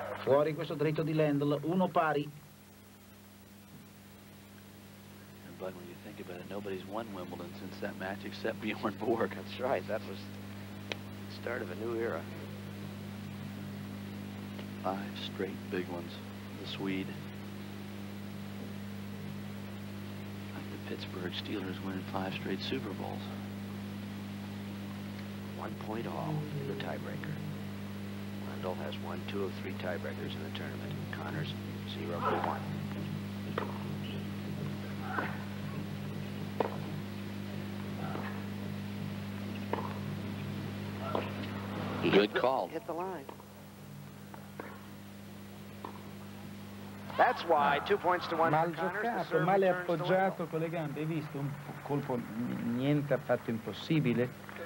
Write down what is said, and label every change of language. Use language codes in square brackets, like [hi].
[it] Fuori questo dritto di Lendl, uno pari. [en] And Bud, when you think about it, nobody's won Wimbledon since that match except Bjorn Borg. That's right, that was the start of a new era. Five straight big ones, the Swede. Like the Pittsburgh Steelers winning five straight Super Bowls. One point all in the tiebreaker. Lendl has won two of three tiebreakers in the tournament. Connors, 0-1. Good call. Hit the line. That's why, two points to one. [it] Mal giocato, male appoggiato con le gambe. Hai visto un colpo niente affatto impossibile?